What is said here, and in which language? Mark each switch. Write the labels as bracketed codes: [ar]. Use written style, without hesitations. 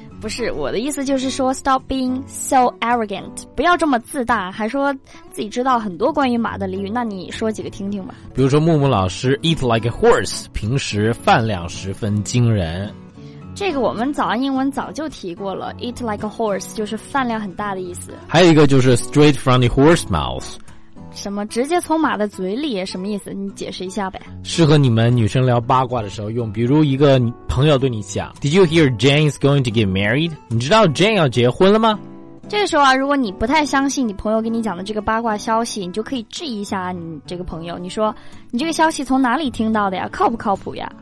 [zh] 不是，我的意思就是说 [en] stop being so arrogant， [zh] 不要这么自大，还说自己知道很多关于马的俚语，那你说几个听听吧。比如说木木老师 [en] eat like a horse， [zh] 平时饭量十分惊人。这个我们早安英文早就提过了， [en] eat like a horse [zh] 就是饭量很大的意思。还有一个就是 [en] straight from the horse mouth， [zh] 什么直接从马的嘴里，什么意思？你解释一下呗。适合你们女生聊八卦的时候用，比如一个朋友对你讲 [en] Did you hear Jane is going to get married？ [zh] 你知道 Jane 要结婚了吗？这时候啊，如果你不太相信你朋友给你讲的这个八卦消息，你就可以质疑一下你这个朋友，你说你这个消息从哪里听到的呀，靠不靠谱呀？